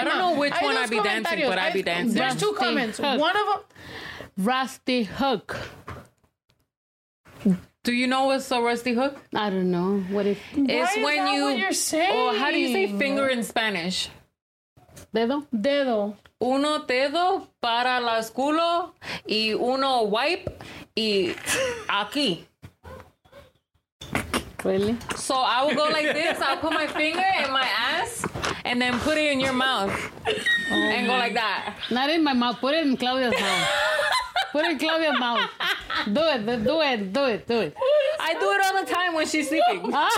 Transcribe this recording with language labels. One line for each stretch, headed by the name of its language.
English: I don't know which one I'd be dancing, but I'd be dancing. There's two comments. Hook. One of them. Rusty hook. Do you know what's a rusty hook? I don't know. What if it's Why is when that you? What you're saying? Oh, how do you say finger in Spanish?
Spanish: Dedo. Dedo. Uno dedo para las culo y uno wipe y aquí.
English: Really? So I will go like this. I'll put my finger in my ass and then put it in your mouth and go like that. Not in my mouth. Put it in Claudia's mouth. Put it in Claudia's mouth. Do it. Do it. Do it. Do it. I do it all the time when she's sleeping.